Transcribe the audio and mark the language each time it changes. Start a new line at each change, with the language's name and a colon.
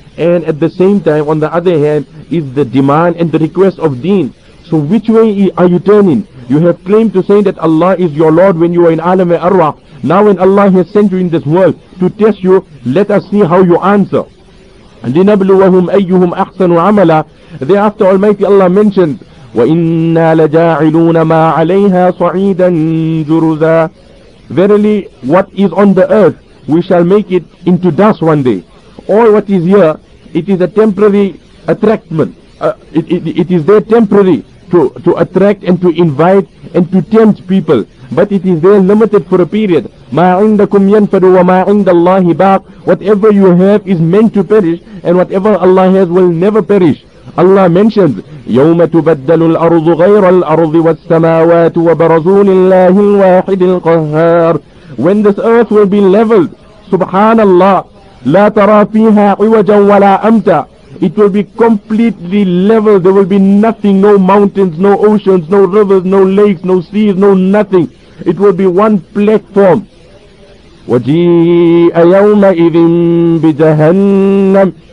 English: And at the same time, on the other hand, is the demand and the request of deen. So which way are you turning? You have claimed to say that Allah is your Lord when you are in Alam-e Arwah. Now when Allah has sent you in this world to test you, let us see how you answer.
Arabic: لِنَبْلُوَهُمْ أَيُّهُمْ أَحْسَنُ عَمَلًا.
English: Thereafter Almighty Allah mentioned,
Arabic: وَإِنَّا لَجَاعِلُونَ مَا عَلَيْهَا صَعِيدًا جُرُزًا.
English: Verily, what is on the earth, we shall make it into dust one day. All what is here, it is a temporary attractment. It is there temporary. To attract and to invite and to tempt people, but it is there limited for a period.
Arabic: مَا عِنْدَكُمْ يَنْفَدُ وَمَا عِنْدَ اللَّهِ بَاقٍ.
English: Whatever you have is meant to perish, and whatever Allah has will never perish. Allah mentions,
Arabic: يَوْمَ تُبَدَّلُ الْأَرْضُ غَيْرَ الْأَرْضِ وَالسَّمَاوَاتُ وَبَرَزُوا لِلَّهِ الْوَاحِدِ الْقَهَّارِ.
English: When this earth will be leveled, subhanallah,
Arabic: لَا تَرَى فِيهَا عِوَجًا وَلَا أَمْتَى.
English: It will be completely level. There will be nothing, no mountains, no oceans, no rivers, no lakes, no seas, no nothing. It will be one platform.
Arabic: وَجِيءَ يَوْمَئِذٍ بِجَهَنَّمْ.